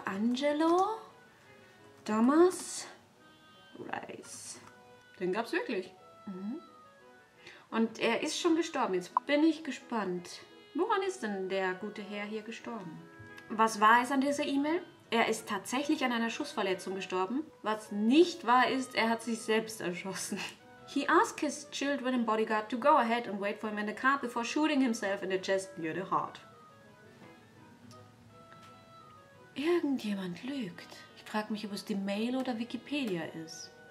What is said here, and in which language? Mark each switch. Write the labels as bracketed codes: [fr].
[de] Angelo Thomas Rice. Den gab's wirklich. Mhm. Und er ist schon gestorben. Jetzt bin ich gespannt. Woran ist denn der gute Herr hier gestorben? Was war es an dieser E-Mail? Er ist tatsächlich an einer Schussverletzung gestorben. Was nicht wahr ist, er hat sich selbst erschossen. [en] He asked his children and bodyguard to go ahead and wait for him in the car before shooting himself in the chest near the heart. [de] Irgendjemand lügt. Ich frage mich, ob es die Mail oder Wikipedia ist.